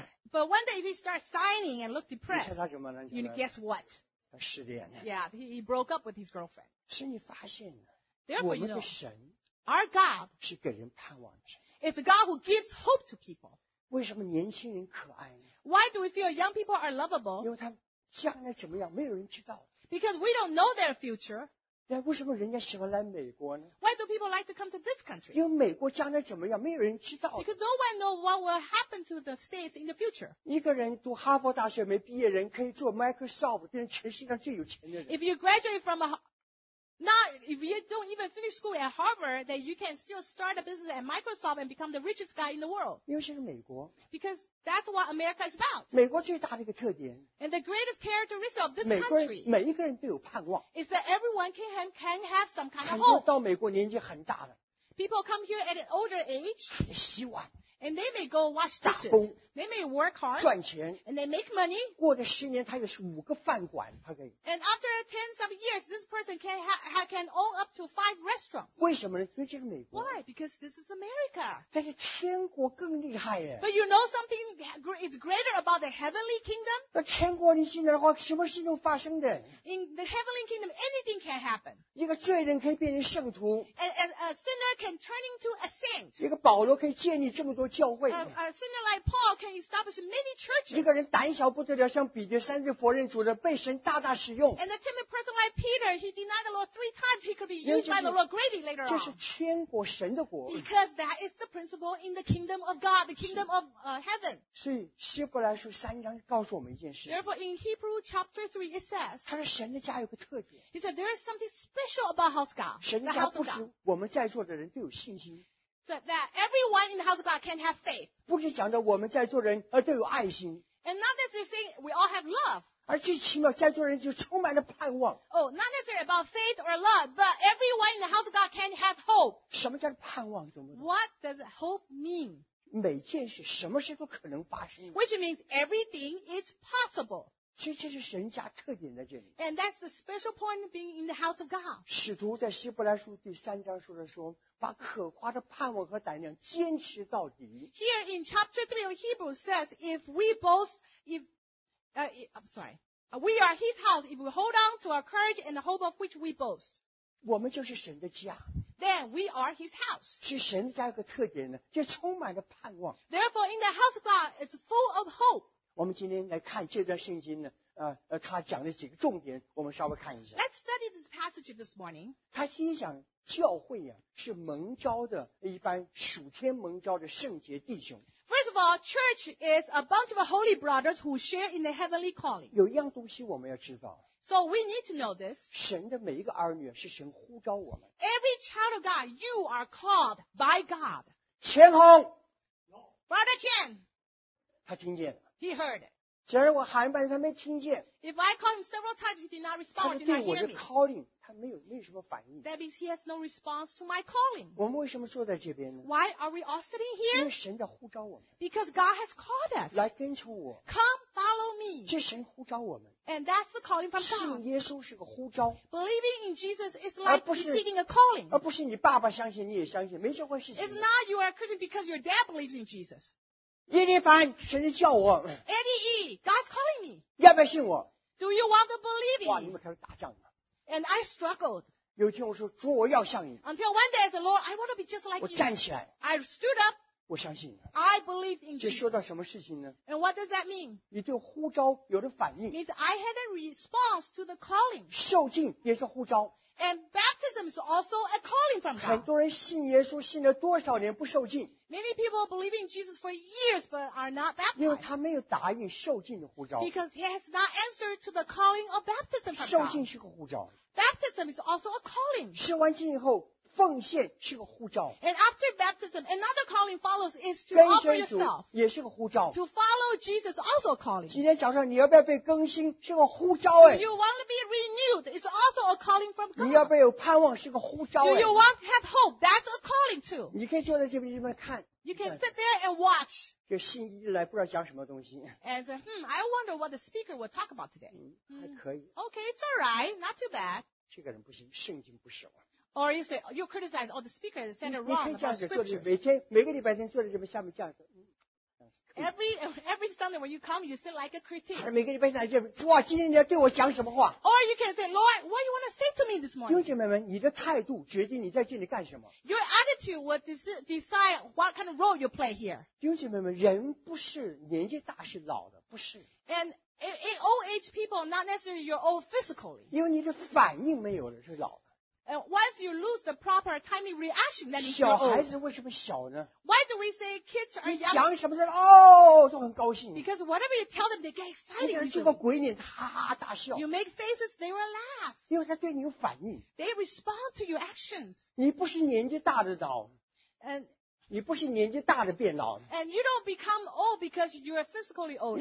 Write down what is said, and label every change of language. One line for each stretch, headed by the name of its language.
English: But one day if he starts sighing and look depressed,
Chinese: 你猜他什么呢？
English: you guess what?
Chinese: 他失恋了。
English: Yeah, he broke up with his girlfriend.
Chinese: 是你发现的。
English: Therefore,
Chinese: 我们的神
English: our God
Chinese: 是给人盼望的神。
English: It's a God who gives hope to people.
Chinese: 为什么年轻人可爱呢？
English: Why do we feel young people are lovable?
Chinese: 因为他将来怎么样，没有人知道。
English: Because we don't know their future.
Chinese: 那为什么人家喜欢来美国呢？
English: Why do people like to come to this country?
Chinese: 因为美国将来怎么样，没有人知道。
English: Because no one knows what will happen to the states in the future.
Chinese: 一个人读哈佛大学没毕业人，可以做 Microsoft， 变成全世界上最有钱的人。
English: If you graduate from a not if you don't even finish school at Harvard, then you can still start a business at Microsoft and become the richest guy in the world.
Chinese: 因为这是美国。
English: Because that's what America is about.
Chinese: 美国最大的一个特点。
English: And the greatest characteristic of this country.
Chinese: 每一个人都有盼望。
English: Is that everyone can have some kind of hope.
Chinese: 很多到美国年纪很大的。
English: People come here at an older age.
Chinese: 还有希望。
English: And they may go wash dishes.
Chinese: 打工。
English: They may work hard.
Chinese: 赚钱。
English: And they make money.
Chinese: 过了十年，他有五个饭馆，他可以。
English: And after 10 some years, this person can own up to 5 restaurants.
Chinese: 为什么呢？因为这是美国。
English: Why? Because this is America.
Chinese: 但是天国更厉害耶。
English: But you know something is greater about the heavenly kingdom?
Chinese: 那天国你进来的话，什么事情都发生的。
English: In the heavenly kingdom, anything can happen.
Chinese: 一个罪人可以变成圣徒。
English: And a sinner can turn into a saint.
Chinese: 一个保罗可以建立这么多。
English: A sinner like Paul can establish many churches.
Chinese: 一个人胆小不得了，像彼得三次否认主的，被神大大使用。
English: And a timid person like Peter, he denied the Lord 3 times, he could be used by the Lord greatly later on.
Chinese: 这是天国神的国。
English: Because that is the principle in the kingdom of God, the kingdom of heaven.
Chinese: 所以希伯来书三章告诉我们一件事。
English: Therefore, in Hebrews chapter 3, it says.
Chinese: 他说神的家有个特点。
English: He said there is something special about house God.
Chinese: 神家不止我们在座的人都有信心。
English: So that everyone in the house of God can have faith.
Chinese: 不是讲的我们在座人都有爱心。
English: And not necessarily saying we all have love.
Chinese: 而最起码在座人就充满了盼望。
English: Oh, not necessarily about faith or love, but everyone in the house of God can have hope.
Chinese: 什么叫盼望，懂不懂？
English: What does hope mean?
Chinese: 每件事，什么事都可能发生。
English: Which means everything is possible.
Chinese: 其实这是神家特点在这里。
English: And that's the special point of being in the house of God.
Chinese: 使徒在希伯来书第三章说的说把可夸的盼望和胆量坚持到底。
English: Here in chapter 3 of Hebrews says, if we boast, we are his house, if we hold on to our courage and the hope of which we boast.
Chinese: 我们就是神的家。
English: Then we are his house.
Chinese: 是神的家有个特点呢，就充满了盼望。
English: Therefore, in the house of God, it's full of hope.
Chinese: 我们今天来看这段圣经呢，他讲的几个重点，我们稍微看一下。
English: Let's study this passage this morning.
Chinese: 他第一讲教会啊，是蒙召的一般属天蒙召的圣洁弟兄。
English: First of all, church is a bunch of holy brothers who share in the heavenly calling.
Chinese: 有一样东西我们要知道。
English: So we need to know this.
Chinese: 神的每一个儿女是神呼召我们。
English: Every child of God, you are called by God.
Chinese: 钱红。
English: Brother Chen.
Chinese: 他听见了。
English: He heard.
Chinese: 既然我喊半天他没听见。
English: If I call him several times, he did not respond.
Chinese: 他对我的 calling。他没有什么反应。
English: That means he has no response to my calling.
Chinese: 我们为什么坐在这边呢？
English: Why are we all sitting here?
Chinese: 因为神在呼召我们。
English: Because God has called us.
Chinese: 来跟从我。
English: Come follow me.
Chinese: 这神呼召我们。
English: And that's the calling from God.
Chinese: 信耶稣是个呼召。
English: Believing in Jesus is like receiving a calling.
Chinese: 而不是你爸爸相信你也相信，没这回事。
English: It's not you are a Christian because your dad believes in Jesus.
Chinese: 叶立凡，神叫我。
English: Eddie, God's calling me.
Chinese: 要不要信我？
English: Do you want to believe in me?
Chinese: 哇，你们开始打仗了。
English: And I struggled.
Chinese: 有一天我说主我要像你。
English: Until one day I said, Lord, I want to be just like you.
Chinese: 我站起来。
English: I stood up.
Chinese: 我相信你。
English: I believed in you.
Chinese: 这说到什么事情呢？
English: And what does that mean?
Chinese: 你对呼召有了反应。
English: Means I had a response to the calling.
Chinese: 受浸也是呼召。
English: And baptism is also a calling from God.
Chinese: 很多人信耶稣信了多少年不受浸。
English: Many people believe in Jesus for years but are not baptized.
Chinese: 因为他没有答应受浸的呼召。
English: Because he has not answered to the calling of baptism from God.
Chinese: 受浸是个呼召。
English: Baptism is also a calling.
Chinese: 受完浸以后奉献是个呼召。
English: And after baptism, another calling follows is to offer yourself.
Chinese: 跟随主也是个呼召。
English: To follow Jesus also calling.
Chinese: 今天早上你要不要被更新是个呼召、哎、
English: Do you want to be renewed? It's also a calling from God.
Chinese: 你要不要有盼望是个呼召、哎、
English: Do you want to have hope? That's a calling too.
Chinese: 你可以坐在这边看。
English: You can sit there and watch.
Chinese: 就信一来不知道讲什么东西。
English: And say, I wonder what the speaker will talk about today.
Chinese: 还可以。
English: Okay, it's alright, not too bad.
Chinese: 这个人不行，圣经不熟啊。
English: Or you say you criticize all the speakers and stand wrong about scriptures.
Chinese: 你可以这样子坐着，每个礼拜天坐在这边下面这样子。
English: Every Sunday when you come, you sit like a critic.
Chinese: 每个礼拜天这样，哇，今天你要对我讲什么话
English: ？Or you can say, Lord, what do you want to say to me this morning?
Chinese: 弟兄姐妹们，你的态度决定你在这里干什么。
English: Your attitude will decide what kind of role you play here.
Chinese: 弟兄姐妹们，人不是年纪大是老的，不是。
English: And in old age people, not necessarily you're old physically.
Chinese: 因为你的反应没有了，是老。
English: Once you lose the proper timely reaction, then you're old.
Chinese: 小孩子为什么小呢
English: ？Why do we say kids are young?
Chinese: 你讲什么的哦，都很高兴。
English: Because whatever you tell them, they get excited.
Chinese: 你做个鬼脸，哈哈大笑。
English: You make faces, they will laugh.
Chinese: 因为他对你有反应。
English: They respond to your actions.
Chinese: 你不是年纪大的老。
English: And
Chinese: 你不是年纪大的变老。
English: And you don't become old because you are physically old.